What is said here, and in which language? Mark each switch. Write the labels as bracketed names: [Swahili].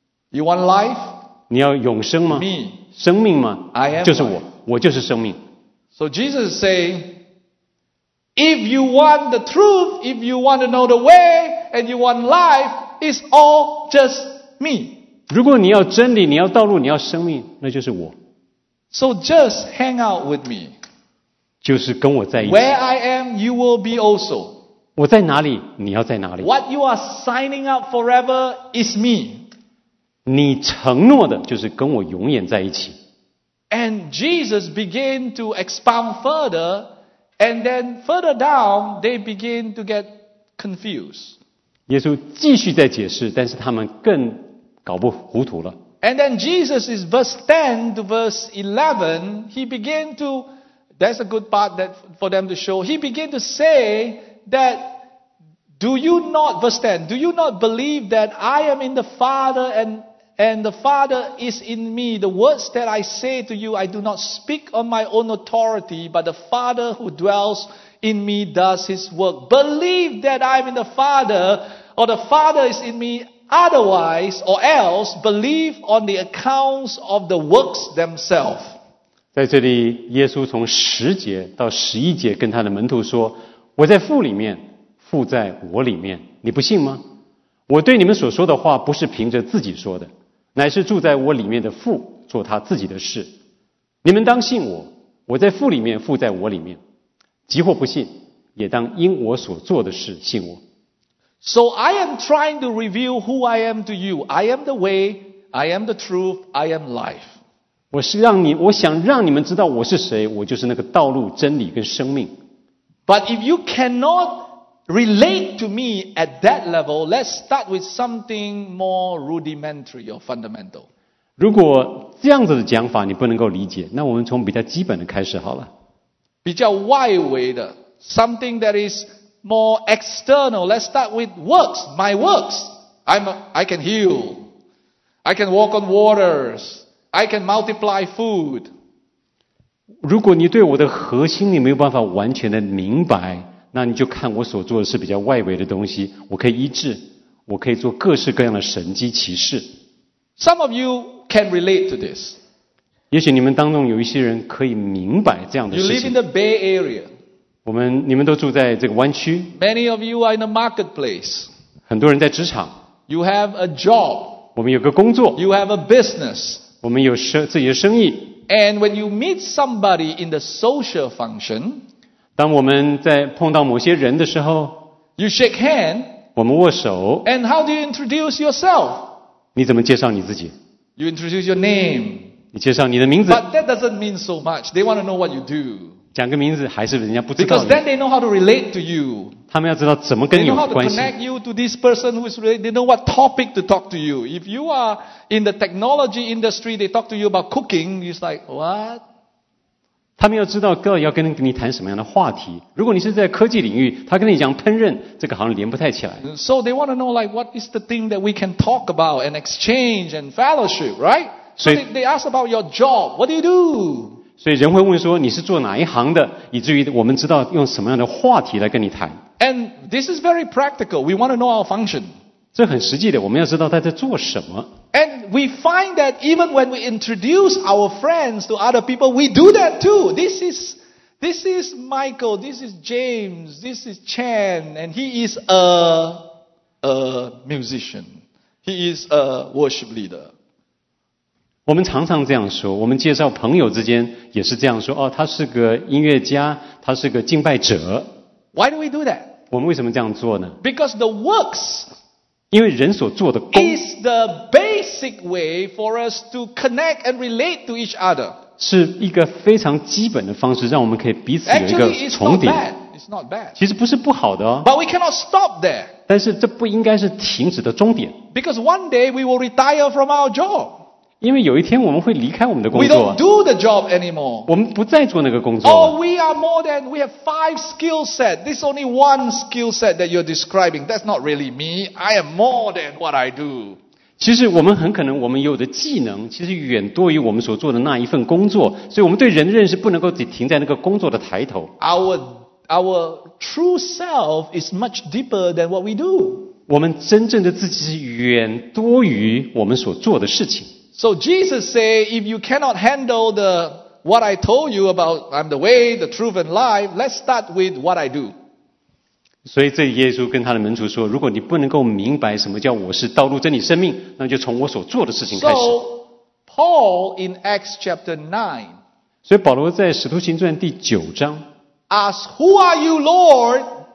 [English] You want life? [Chinese] 你要永生吗 [English] Me [Chinese] 生命吗 [English] I am [Chinese] 就是我 我就是生命 [English] So Jesus is saying If you want the truth If you want to know the way And you want life It's all just me [Chinese] 如果你要真理你要道路你要生命那就是我 [English] So just hang out with me [Chinese] 就是跟我在一起。 [English] Where I am, you will be also. [Chinese] 我在哪里，你要在哪里。 [English] What you are signing up forever is me. [Chinese] 你承诺的就是跟我永远在一起。 [English] And Jesus began to expound further, and then further down, they begin to get confused. [Chinese] 耶稣继续在解释，但是他们更搞不糊涂了。 [English] And then Jesus is verse 10 to verse 11, he began to That's a good part that for them to show. He began to say that, do you not, verse 10, do you not believe that I am in the Father and the Father is in me? The words that I say to you, I do not speak on my own authority, but the Father who dwells in me does his work. Believe that I am in the Father or the Father is in me. Otherwise, or else, believe on the accounts of the works themselves. [Chinese] 在这里耶稣从十节到十一节跟他的门徒说我在父里面父在我里面你不信吗我对你们所说的话不是凭着自己说的乃是住在我里面的父做他自己的事你们当信我我在父里面父在我里面即或不信也当因我所做的事信我 [English] So I am trying to reveal who I am to you I am the way I am the truth I am life [Chinese] 我想让你们知道我是谁，我就是那个道路、真理跟生命。 [English] But if you cannot relate to me at that level, let's start with something more rudimentary or fundamental. [Chinese] 如果这样子的讲法你不能够理解，那我们从比较基本的开始好了。比较外围的 [English] ，something that is more external. Let's start with works. My works. I can heal. I can walk on waters. I can multiply food. [Chinese] 如果你对我的核心你没有办法完全的明白，那你就看我所做的是比较外围的东西。我可以医治，我可以做各式各样的神迹奇事。 [English] Some of you can relate to this. [Chinese] 也许你们当中有一些人可以明白这样的事情。 [English] You live in the Bay Area. [Chinese] 你们都住在这个湾区。 [English] Many of you are in the marketplace. [Chinese] 很多人在职场。 [English] You have a job. [Chinese] 我们有个工作。 [English] You have a business. [Chinese] 我们有自己的生意。 [English] And when you meet somebody in the social function, [Chinese] 当我们在碰到某些人的时候 [English] you shake hand, [Chinese] 我们握手。 [English] And how do you introduce yourself? [Chinese] 你怎么介绍你自己 [English] You introduce your name. [Chinese] 你介绍你的名字。 [English] But that doesn't mean so much. They want to know what you do. [Chinese] 讲个名字还是人家不知道 [English] Because then they know how to relate to you. [Chinese] 他们要知道怎么跟你有关系。 [English] They know how to connect you to this person who is related. They know what topic to talk to you. If you are in the technology industry, they talk to you about cooking. It's like what? [Chinese] 他们要知道要跟你谈什么样的话题。如果你是在科技领域，他跟你讲烹饪，这个好像连不太起来。 [English] So they want to know like what is the thing that we can talk about and exchange and fellowship, right? So they ask about your job. What do you do? [Chinese] 所以人会问说你是做哪一行的，以至于我们知道用什么样的话题来跟你谈。 [English] And this is very practical. We want to know our function. [Chinese] 这很实际的，我们要知道他在做什么。 [English] And we find that even when we introduce our friends to other people, we do that too. This is Michael, this is James, this is Chen, and he is a musician. He is a worship leader. [Chinese] 我们常常这样说，我们介绍朋友之间也是这样说，哦，他是个音乐家，他是个敬拜者。 [English] Why do we do that? [Chinese] 我们为什么这样做呢？ [English] Because the works... [Chinese] 因为人所做的工 [English] is the basic way for us to connect and relate to each other. [Chinese] 是一个非常基本的方式，让我们可以彼此有一个重叠。 [English] Actually, it's not bad. [Chinese] 其实不是不好的哦。 [English] But we cannot stop there. [Chinese] 但是这不应该是停止的终点。 [English] Because one day we will retire from our job. [Chinese] 因为有一天我们会离开我们的工作。 [English] We don't do the job anymore. [Chinese] 我们不再做那个工作了。 [English] Oh, we are more than we have five skill set. This is only one skill set that you're describing. That's not really me. I am more than what I do. [Chinese] 其实我们很可能我们有的技能其实远多于我们所做的那一份工作，所以我们对人的认识不能够停在那个工作的抬头。 [English] Our true self is much deeper than what we do. [Chinese] 我们真正的自己是远多于我们所做的事情。 [English] So Jesus say, if you cannot handle the what I told you about I'm the way, the truth and life, let's start with what I do. [Chinese] 所以这耶稣跟他的门徒说，如果你不能够明白什么叫我是道路、真理、生命，那就从我所做的事情开始。 [English] So Paul in Acts chapter 9. [Chinese] 所以保罗在使徒行传第九章 [English] ask, Who are you, Lord?